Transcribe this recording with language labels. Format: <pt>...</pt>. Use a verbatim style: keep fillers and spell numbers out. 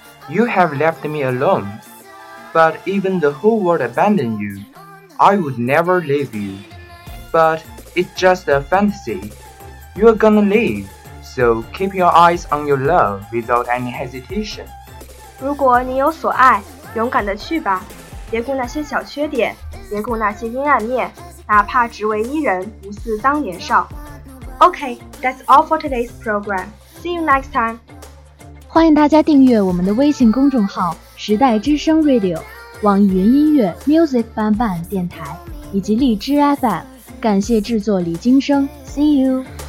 <en>You have left me alone, but even the whole world abandoned you. I would never leave you, but it's just a fantasy. You're gonna leave, so keep your eyes on your love without any hesitation.</en> <zh>如果你有所爱，勇敢地去吧，别顾那些小缺点，别顾那些阴暗面，哪怕只为伊人，不似当年少。</zh> <en>Okay, that's all for today's program. See you next time.</en> <zh>欢迎大家订阅我们的微信公众号时代之声 Radio，网易云音乐 Music 伴伴电台以及荔枝 F M。感谢制作李金生</zh> <en>See you。</en>